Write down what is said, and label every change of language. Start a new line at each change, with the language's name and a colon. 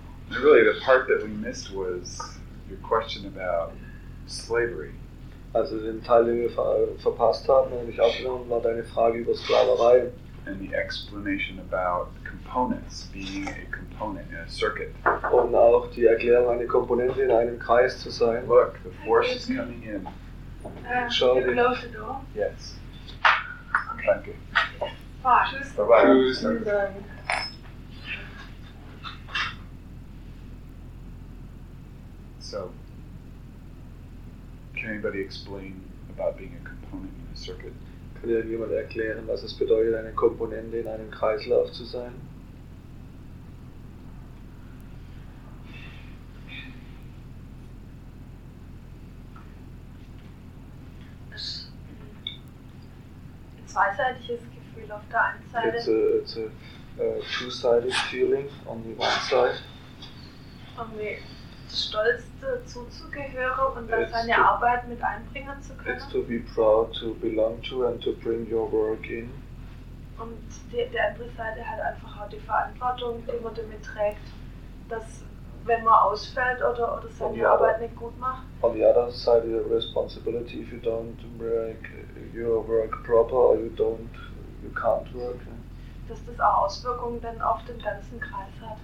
English: Really, the part that we missed was your question about slavery.
German: Also den Teil, den wir verpasst haben, den ich aufgenommen, war deine Frage über Sklaverei.
English: And the explanation about components being a component in a circuit.
German: Und auch die Erklärung, eine Komponente in einem Kreis zu sein.
English: Look, the force is coming in. Show me. Close the door. Yes. Okay. Thank you. Bye-bye. So, can anybody explain about being a component in a circuit?
German: Kann dir jemand erklären, was es bedeutet, eine Komponente in einem Kreislauf zu sein? Es ist ein zweiseitiges Gefühl auf der einen Seite.
English: It's a two-sided feeling on the one side.
German: Stolz dazuzugehören und dann seine Arbeit mit einbringen zu können.
English: It's to be proud to belong to and to bring your work in.
German: Und die andere Seite hat einfach auch die Verantwortung, die man damit trägt, dass wenn man ausfällt oder seine Arbeit nicht gut macht.
English: On the other side, the responsibility if you don't make your work proper or you can't work.
German: Dass das auch Auswirkungen dann auf den ganzen Kreis hat.